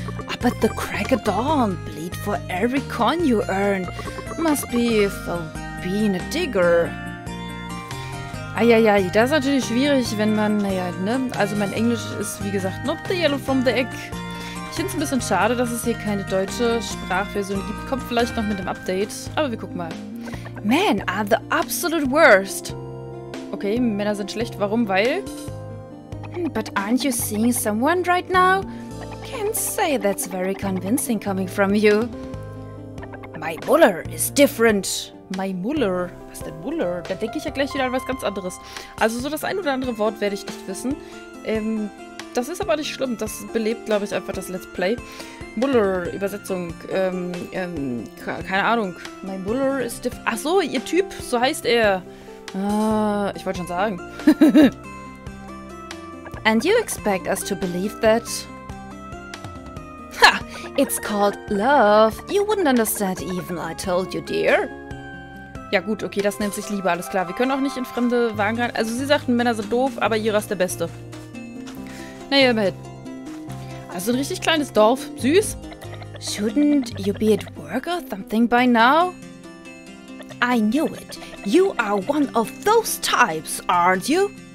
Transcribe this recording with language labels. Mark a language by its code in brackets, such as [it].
[en] Up at the crack of dawn, bleed for every coin you earn. Must be for being a digger. [de] Eieiei, das ist natürlich schwierig, wenn man, naja, ne? Also mein Englisch ist, wie gesagt, [en] not the yellow from the egg. [de] Ich finde es ein bisschen schade, dass es hier keine deutsche Sprachversion gibt. Kommt vielleicht noch mit dem Update, aber wir gucken mal. [en] Men are the absolute worst. [de] Okay, Männer sind schlecht. Warum? Weil? [en] But aren't you seeing someone right now? Can't say that's very convincing coming from you. My Muller is different. My Muller. [de] Was denn Muller? Da denke ich ja gleich wieder an was ganz anderes. Also so das ein oder andere Wort werde ich nicht wissen. Das ist aber nicht schlimm. Das belebt, glaube ich, einfach das Let's Play. Muller, Übersetzung. Keine Ahnung. [en] My Muller [de] ist diff... Ach so, ihr Typ. So heißt er. Ich wollte schon sagen. [en] And you expect us to believe that? Ha! It's called love. You wouldn't understand even, I told you, dear. [de] Ja gut, okay, das nennt sich Liebe, alles klar. Wir können auch nicht in fremde Wagen rein. Also sie sagten, Männer sind doof, aber Ira ist der Beste. Naja, immerhin. Also ein richtig kleines Dorf. Süß. [en] Shouldn't you be at work or something by now? I knew it. You are one of those types, aren't you?